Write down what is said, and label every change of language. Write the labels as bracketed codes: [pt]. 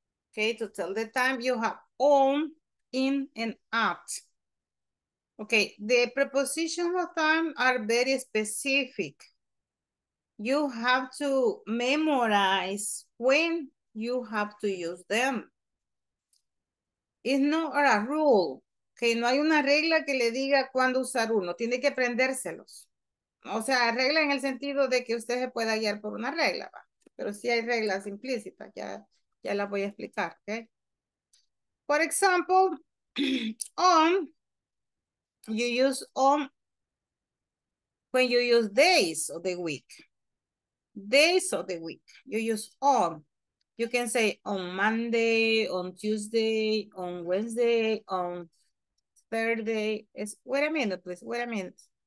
[en] Ok, to tell the time, you have on, in, and at. Ok, the preposition of time are very specific. You have to memorize when you have to use them. It's not a rule. [es] Okay, no hay una regla que le diga cuándo usar uno. Tiene que aprendérselos. O sea, regla en el sentido de que usted se pueda guiar por una regla, ¿va? Pero sí hay reglas implícitas. Ya las voy a explicar. Okay? [en] For example, on, you use on when you use days of the week. Days of the week. You use on. You can say on Monday, on Tuesday, on Wednesday, on third day is, wait a minute, please, wait a minute.